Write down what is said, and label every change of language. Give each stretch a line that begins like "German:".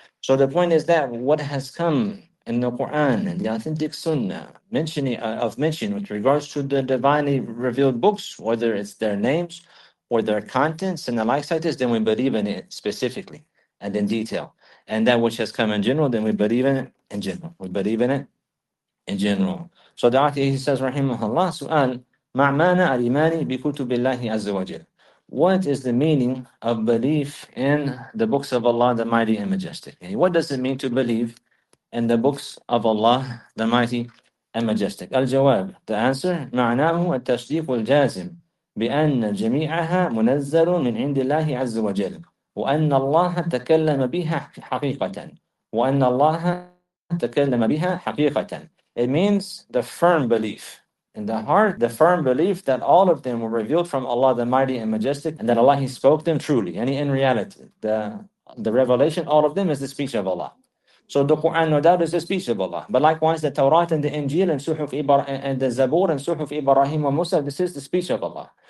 English: So the point is that what has come in the Quran and the authentic Sunnah mentioning with regards to the divinely revealed books, whether it's their names or their contents and the likes like this, then we believe in it specifically and in detail. And that which has come in general, then we believe in it in general. We believe in it in general. So the author, he says, Rahimahullah,
Arabic: سؤال ما معنى الإيمان بكتب الله عز وجل.
English: What is the meaning of belief in the books of Allah, the Mighty and Majestic? What does it mean to believe in the books of Allah, the Mighty and Majestic?
Arabic: الجواب,
English: the answer,
Arabic: معناه التصديق الجازم بأن جميعها منزل من عند الله عز وجل وأن الله تكلم بها حقيقة وأن الله تكلم بها حقيقة.
English: It means the firm belief in the heart, the firm belief that all of them were revealed from Allah, the Mighty and Majestic, and that Allah, he spoke them truly. And in reality, the revelation, all of them is the speech of Allah. So the Quran, no doubt, is the speech of Allah. But likewise, the Torah and the Injil and Suhuf and the Zabur and Suhuf Ibrahim and Musa, this is the speech of Allah.